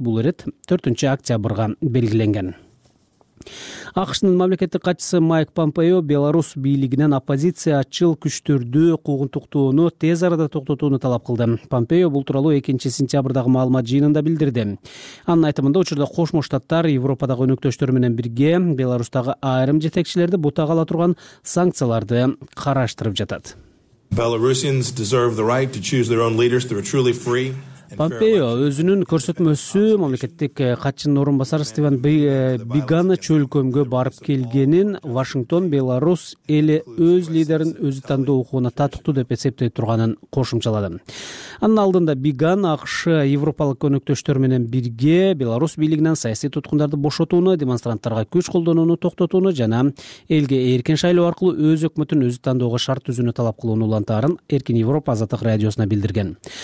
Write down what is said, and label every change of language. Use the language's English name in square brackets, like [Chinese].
[Kyrgyz] Бул ирет 4 октябрга белгиленген. АКШнын мамлекеттик катчысы Майк Помпео Беларусь бийлигинен оппозициячыл күчтөрдү куугунтуктоону тез арада токтотууну талап кылды. Помпео бул тууралуу 2-сентябрдагы маалымат жыйынында билдирди. Анын айтымында учурда Кошмо Штаттар Европадагы өнөктөштөрү менен бирге Беларусьтагы айрым жетекчилерди бутагала турган санкцияларды караштырып жатат. [English] Belarusians deserve the right to choose their own leaders through a truly free [Kyrgyz] Помпео өзүнүн көрсөтмөсү мамлекеттик катчынын орун басары Стивен Бигана чөлкөмгө барып келгенин Вашингтон Беларусь эли өз лидерин өзү тандоо укугуна татыктуу деп эсептей турганын кошумчалады. Анын алдында Биган АКШ европалык өнөктөштөр менен бирге Беларусь бийлигинен саясий туткундарды бошотууну, демонстранттарга күч колдонууну токтотууну жана элге эркин шайлоо аркылуу өз өкмөтүн өзү тандоого шарт түзүүнү талап кылууну улантаарын Эркин Европа Азаттык радиосуна билдирген.